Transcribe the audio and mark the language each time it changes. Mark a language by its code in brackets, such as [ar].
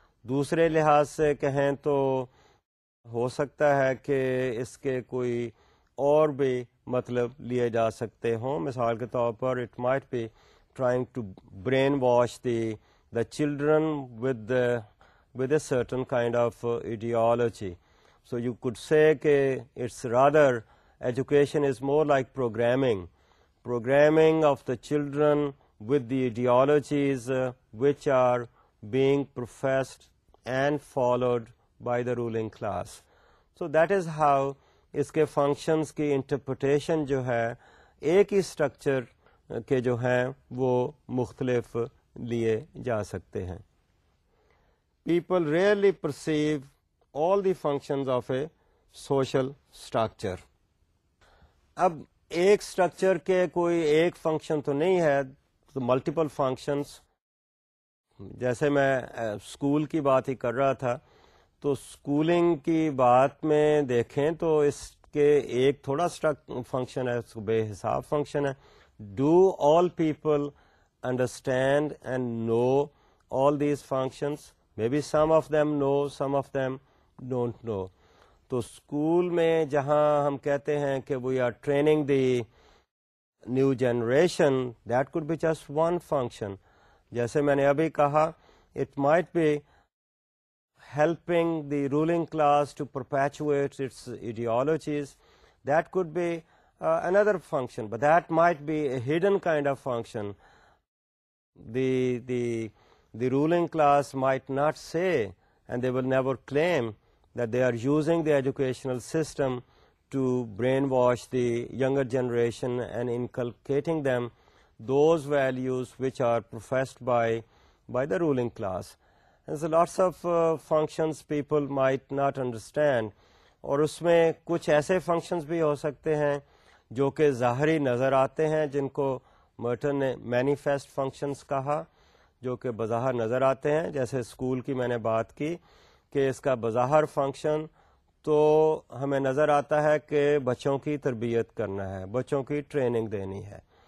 [ur] دوسرے لحاظ سے کہیں تو ہو سکتا ہے کہ اس کے کوئی اور بھی مطلب لیے جا سکتے ہوں. [en] مثال کے طور پر it might be trying to brainwash the children with a certain kind of ideology. So you could say کہ it's rather education is more like programming of the children with the ideologies which are being professed and followed by the ruling class. So that is how [ur] اس کے functions کی interpretation جو ہے ایک ہی structure کے جو ہیں وہ مختلف لیے جا سکتے ہیں. [en] People really perceive all the functions of a social structure. [ur] اب ایک اسٹرکچر کے کوئی ایک فنکشن تو نہیں ہے, ملٹیپل فنکشنز. جیسے میں اسکول کی بات ہی کر رہا تھا تو اسکولنگ کی بات میں دیکھیں تو اس کے ایک تھوڑا فنکشن ہے, اس کو بے حساب فنکشن ہے. [en] Do all people understand and know all these functions? Maybe some of them know, some of them don't know. [ur] To school mein jahan hum kehte hain ke [en] we are training the new generation, that could be just one function. [ur] Jaise maine abhi kaha, [en] it might be helping the ruling class to perpetuate its ideologies, that could be another function, but that might be a hidden kind of function. The ruling class might not say, and they will never claim, that they are using the educational system to brainwash the younger generation and inculcating them those values which are professed by the ruling class. There's lots of functions people might not understand. [ur] اور اس میں کچھ ایسے functions بھی ہو سکتے ہیں جو کہ ظاہری نظر آتے ہیں, جن کو مرٹن نے مینیفیسٹ فنکشنز کہا, جو کہ بظاہر نظر آتے ہیں. جیسے اسکول کی میں نے بات کی کہ اس کا بظاہر فنکشن تو ہمیں نظر آتا ہے کہ بچوں کی تربیت کرنا ہے, بچوں کی ٹریننگ دینی ہے.